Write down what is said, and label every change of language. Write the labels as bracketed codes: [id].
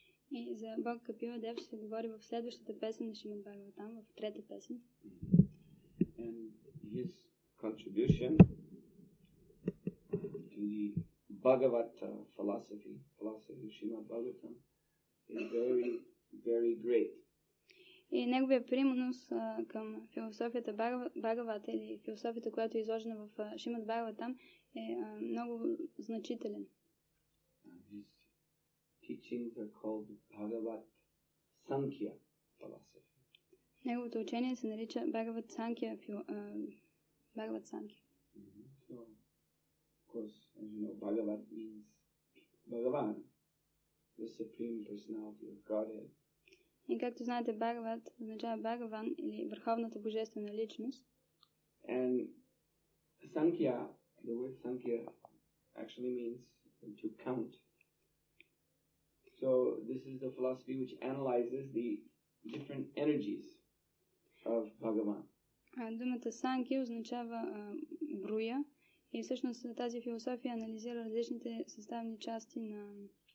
[bg] И за Бог Капила Дев ще говори в следващата песен на Шримад Бхагаватам, в трета песен. [en] And his contribution to the Bhagavata philosophy of Shrimad Bhagavatam is very, very great. [bg] И неговия принос към философията Бхагавата или философията, която е изложена в Шримад Бхагаватам, е много значителен. [en] His teachings are called Bhagavat Sankhya philosophy. [bg] Неговото учение се нарича Bhagavat Sankhya Bhagavat Sankhya. [en] So, of course, as you know, Bhagavat means Bhagavan, the supreme personality of Godhead. [bg] И както знаете, Бхагават означава Бхагаван или върховната божествена личност. [en] And Sankhya, the word Sankhya actually means to count. So this is the philosophy which analyzes the different energies of Bhagavan. [bg] Думата Sankhya означава броя и всъщност тази философия анализира различните съставни части на